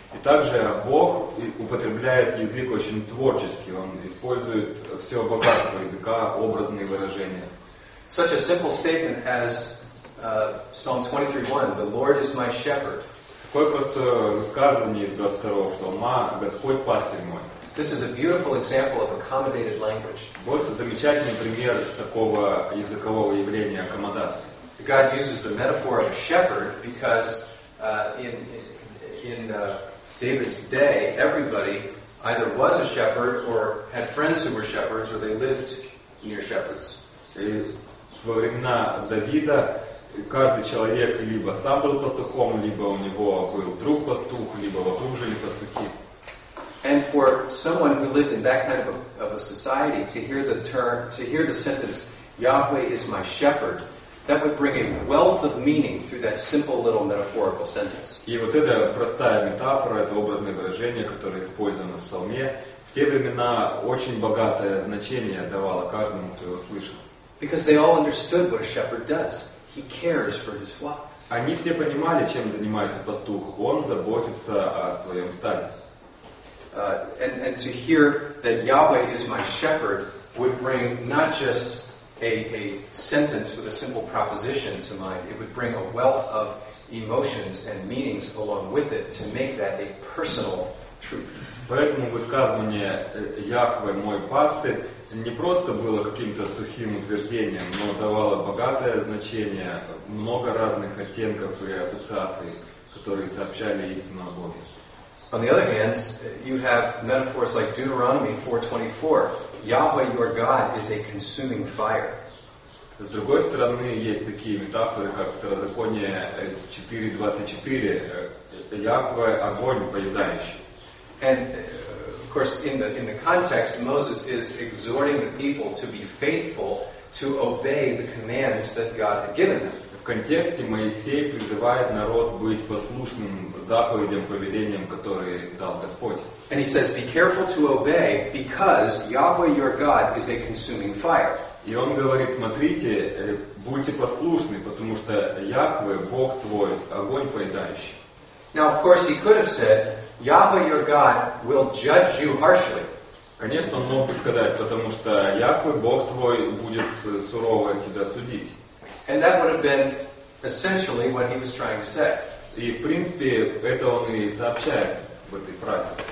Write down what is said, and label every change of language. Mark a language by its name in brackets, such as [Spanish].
[Russian] И также Бог употребляет язык очень творчески. Он использует все богатство языка, образные выражения. [English] Such a simple statement as Psalm 23:1, "The Lord is my shepherd." [Russian] Такое просто высказывание из 22-го псалма: "Господь пастырь мой." [English] This is a beautiful example of accommodated language. [Russian] Вот замечательный пример такого языкового явления аккомодации. [English] God uses the metaphor of a shepherd because in David's day, everybody either was a shepherd or had friends who were shepherds or they lived near shepherds. [Russian] И во времена Давида каждый человек либо сам был пастухом, либо у него был друг пастух, либо вокруг жили пастухи. [English] And for someone who lived in that kind of a society to hear the term, to hear the sentence, "Yahweh is my shepherd," that would bring a wealth of meaning through that simple little metaphorical sentence. [Russian] И вот эта простая метафора, это образное выражение, которое использовано в псалме, в те времена очень богатое значение давало каждому, кто его слышал. [English] Because they all understood what a shepherd does. He cares for his flock. [Russian] Они все понимали, чем занимается пастух. Он заботится о своем стаде. [English] And to hear that Yahweh is my shepherd would bring not just a sentence with a simple proposition to mind, it would bring a wealth of emotions and meanings along with it to make that a personal truth. [Russian] Поэтому высказывание «Яхве мой пастырь» не просто было каким-то сухим утверждением, но давало богатое значение, много разных оттенков и ассоциаций, которые сообщали истину о Боге. [English] On the other hand, you have metaphors like Deuteronomy 4:24. Yahweh your God is a consuming fire. [Russian] С другой стороны, есть такие метафоры, как Второзаконие 4:24. Яхве огонь поедающий. [English] And of course in the context, Moses is exhorting the people to be faithful to obey the commands that God had given them. [Russian] В контексте Моисей призывает народ быть послушным заповедям, повелениям, которые дал Господь. [English] And he says, be careful to obey, because Yahweh your God is a consuming fire. [Russian] И он говорит, смотрите, будьте послушны, потому что Яхве, Бог твой, огонь поедающий. [English] Now, of course, he could have said, Yahweh your God will judge you harshly. [Russian] Конечно, он мог бы сказать, потому что Яхве, Бог твой, будет сурово тебя судить. [English] And that would have been essentially what he was trying to say. [Russian] И в принципе это он и сообщает в этой фразе.